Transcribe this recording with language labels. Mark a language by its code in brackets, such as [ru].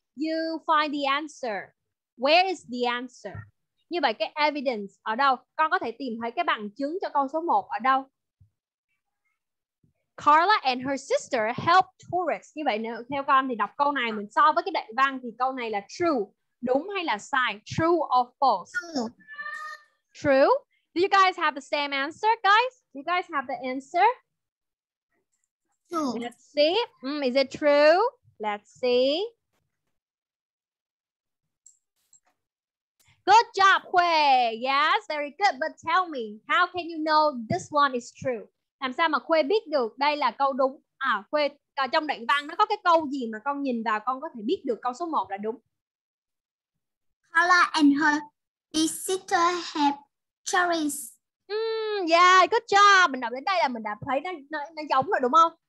[en] You find the answer. Where is the answer? [vi] Như vậy cái evidence ở đâu? Con có thể tìm thấy cái bằng chứng cho câu số 1 ở đâu? [en] Carla and her sister help tourists. [vi] Như vậy nếu theo con thì đọc câu này mình so với cái đoạn văn thì câu này là true. Đúng hay là sai? [en] True or false? True. Do you guys have the same answer, guys? Do you guys have the answer? Let's see. Is it true? Let's see. Good job, Huê. Yes, very good. But tell me, how can you know this one is true? [vi] Làm sao mà Huê biết được đây là câu đúng? À, Huê, trong đoạn văn nó có cái câu gì mà con nhìn vào con có thể biết được câu số 1 là đúng? [en] Carla and her sister have cherries. Yeah, good job. [vi] Mình đọc đến đây là mình đã thấy nó giống rồi đúng không?